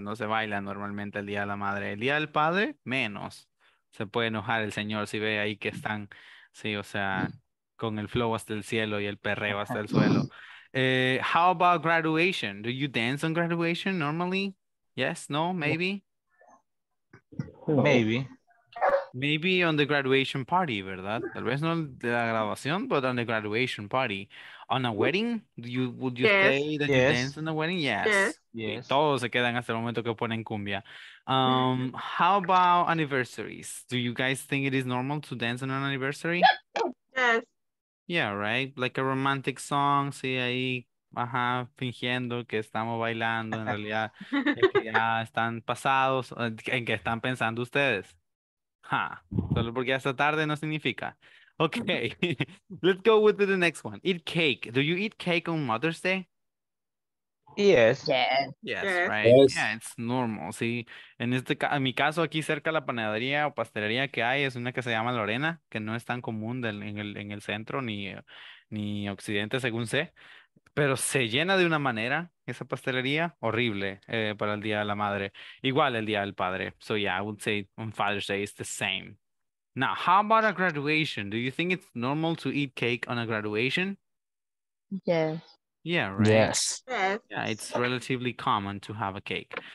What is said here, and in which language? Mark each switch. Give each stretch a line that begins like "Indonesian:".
Spanish: No se baila normalmente el Día de la Madre. El Día del Padre, menos. Se puede enojar el señor si ve ahí que están, sí, o sea, con el flow hasta el cielo y el perreo hasta el suelo.
English: How about graduation? Do you dance on graduation normally? Yes, no, maybe? Maybe. Maybe on the graduation party, ¿verdad?
Spanish: Tal vez no de la graduación,
English: but on the graduation party. On a wedding, would you yes. say that yes. you dance in the wedding? Yes. Yes. Yes.
Spanish: Todos se quedan hasta el momento que ponen cumbia.
English: How about anniversaries? Do you guys think it is normal to dance on an anniversary? Yes. Yeah, right? Like a romantic song,
Spanish: sí, ahí, ajá, fingiendo que estamos bailando, en realidad, que ya están pasados, en qué están pensando ustedes. Solo porque hasta tarde no significa.
English: Okay, let's go with the next one. Eat cake. Do you eat cake on Mother's Day? Yes. Yes, right. Yes. Yeah, it's normal, sí.
Spanish: En este en mi caso, aquí cerca la panadería o pastelería que hay es una que se llama Lorena, que no es tan común del, en el centro ni occidente, según sé. Pero se llena de una manera esa pastelería horrible para el Día de la Madre. Igual el Día del Padre.
English: So yeah, I would say on Father's Day it's the same. Now, how about a graduation? Do you think it's normal to eat cake on a graduation? Yes. Yeah, right? Yes. Yeah, it's relatively common to have a cake.